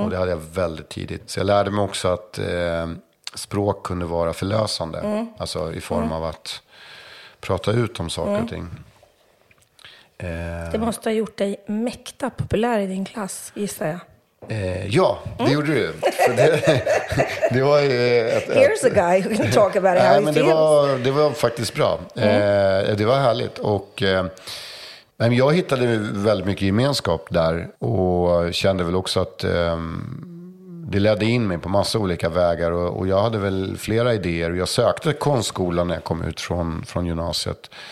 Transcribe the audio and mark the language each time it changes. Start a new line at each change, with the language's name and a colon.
Swedish: Och det hade jag väldigt tidigt. Så jag lärde mig också att... språk kunde vara förlösande. Mm. Alltså i form av att prata ut om saker och ting. Det måste ha gjort dig mäkta populär i din klass, gissar jag. Ja, det gjorde du. För det var ju
English: Here's a guy who can talk about how
Swedish: men
English: he feels.
Swedish: Det var faktiskt bra. Det var härligt. Och jag hittade väldigt mycket gemenskap där och kände väl också att det ledde in mig på massa olika vägar och jag hade väl flera idéer. Jag sökte konstskolan när jag kom ut från gymnasiet.